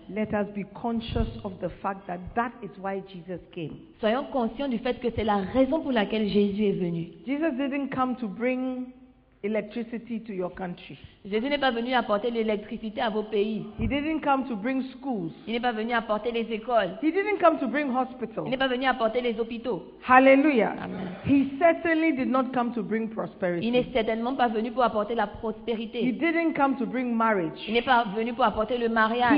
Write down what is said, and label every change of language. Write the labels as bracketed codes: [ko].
[en] Let us be conscious of the fact that that is why Jesus came. [fr] Soyons conscients du fait que c'est la raison pour laquelle Jésus est venu. [en] Jesus didn't come to bring electricity to your country. [fr] Jésus n'est pas venu apporter l'électricité à vos pays. [en] He didn't come to bring schools. [fr] Il n'est pas venu apporter les écoles. [en] He didn't come to bring hospitals. [fr] Il n'est pas venu apporter les hôpitaux. [en] Hallelujah. [fr] Amen. [en] He certainly did not come to bring prosperity. [fr] Il n'est certainement pas venu pour apporter la prospérité. [en] He didn't come to bring marriage. [fr] Il n'est pas venu pour apporter le mariage.